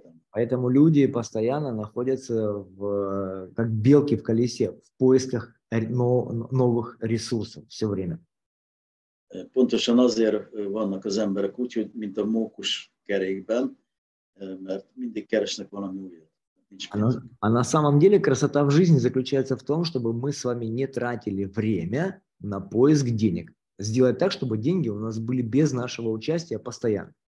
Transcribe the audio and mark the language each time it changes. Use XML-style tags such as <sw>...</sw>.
<ru>Поэтому люди постоянно находятся как белки в колесе, в поисках новых ресурсов все время.</ru> <hu>Pontosan azért vannak az emberek úgy, hogy mint a mókus kerékben, mert mindig keresnek valami újat.</hu> <ru>А на самом деле красота в жизни заключается в том, чтобы мы с вами не тратили время на поиск денег. Сделать так, чтобы деньги у нас были без нашего участия постоянно.</ru>